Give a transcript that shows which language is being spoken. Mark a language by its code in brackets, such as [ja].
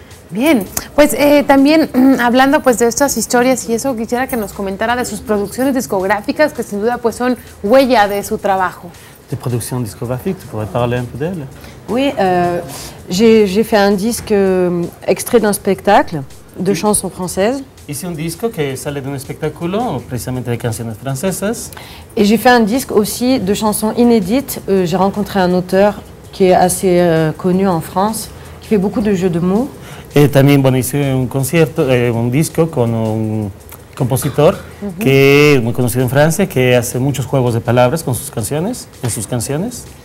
[es] Bien, pues también hablando pues de estas historias y eso, quisiera que nos comentara de sus producciones discográficas, que sin duda pues son huella de su trabajo. De producción discográfica, ¿tú podrías hablar un poco de ella? [fr] Oui, j'ai fait un disque extrait d'un spectacle de chansons françaises. [es] Hice un disco que sale de un espectáculo, precisamente de canciones francesas. [fr] Et j'ai fait un disque aussi de chansons inédites. J'ai rencontré un auteur qui est assez connu en France, qui fait beaucoup de jeux de mots. [es] También bueno, hice un concierto, un disco con un compositor que muy conocido en Francia, que hace muchos juegos de palabras con sus canciones, en sus canciones.